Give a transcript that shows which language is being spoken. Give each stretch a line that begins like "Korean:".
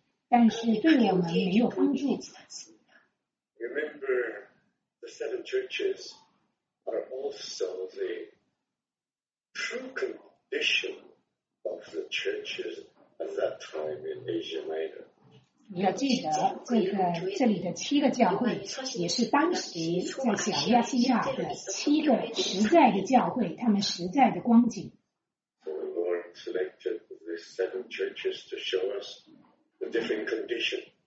Chinese: 以往我们一直在那里关注这预言性的众教会的发展。是的，这个是对的，没有错。但是对我们没有帮助。
English: Remember, the seven churches are also the true condition of the churches at that time in Asia Minor.
Chinese: 你要记得，这里的七个教会也是当时在小亚细亚的七个实在的教会，他们实在的光景。
English: So the Lord selected these seven churches to show us the different condition.